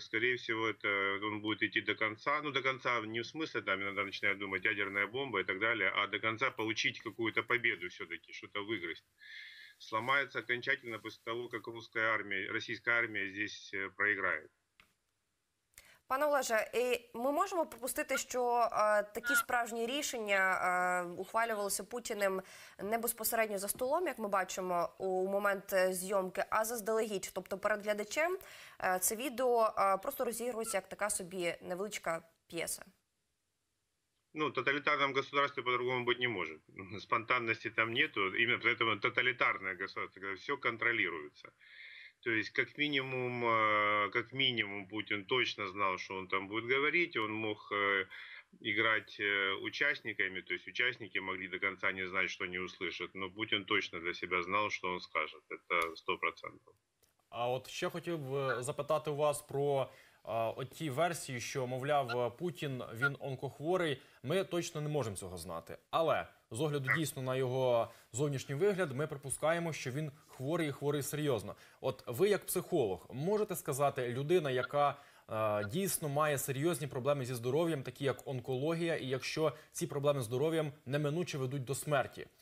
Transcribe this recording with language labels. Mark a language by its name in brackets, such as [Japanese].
[Russian] Скорее всего, это он будет идти до конца. Ну, до конца не в смысле, там иногда начинают думать, ядерная бомба и так далее, а до конца получить какую-то победу все-таки, что-то выиграть. Сломается окончательно после того, как российская армия здесь проиграет. [Ukrainian] Пане Олеже, ми можемо припустити, що такі справжні рішення ухвалювалися Путіним не безпосередньо за столом, як ми бачимо у момент зйомки, а заздалегідь. Тобто перед глядачем це відео просто розігрується як така собі невеличка п'єса. [Russian] Ну, тоталитарном государстве по-другому быть не может. Спонтанности там нету. Именно поэтому тоталитарное государство, когда все контролируется. То есть, как минимум, Путин точно знал, что он там будет говорить. Он мог играть участниками. То есть, участники могли до конца не знать, что они услышат. Но Путин точно для себя знал, что он скажет. Это 100%. А вот еще хотел бы [Ukrainian] запитати у вас про... оті версії, що, мовляв, Путін, він онкохворий, ми точно не можемо цього знати. Але, з огляду дійсно на його зовнішній вигляд, ми припускаємо, що він хворий і хворий серйозно. От ви, як психолог, можете сказати, людина, яка дійсно має серйозні проблеми зі здоров'ям, такі як онкологія, і якщо ці проблеми з здоров'ям неминуче ведуть до смерті.